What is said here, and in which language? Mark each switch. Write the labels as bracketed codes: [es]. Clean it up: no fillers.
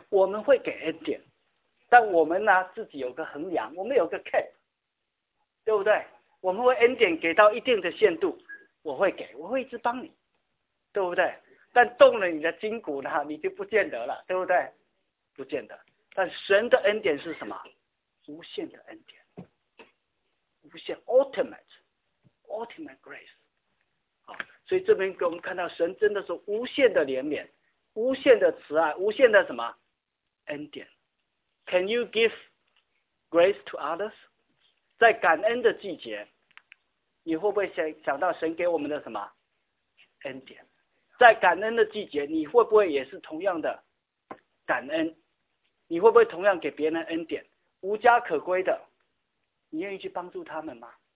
[zh] 我们会给恩典，但我们呢自己有个衡量，我们有个 cap， 对不对？我们会恩典给到一定的限度，我会给，我会一直帮你，对不对？但动了你的筋骨呢，你就不见得了，对不对？不见得。但神的恩典是什么？无限的恩典。无限 [en] ultimate grace。 [zh] 好，所以这边给我们看到神真的是无限的怜悯，无限的慈爱，无限的什么恩典。 [en] Can you give grace to others？ [zh] 在感恩的季节，你会不会想到神给我们的什么恩典？在感恩的季节，你会不会也是同样的感恩？你会不会同样给别人恩典？无家可归的，你愿意去帮助他们吗？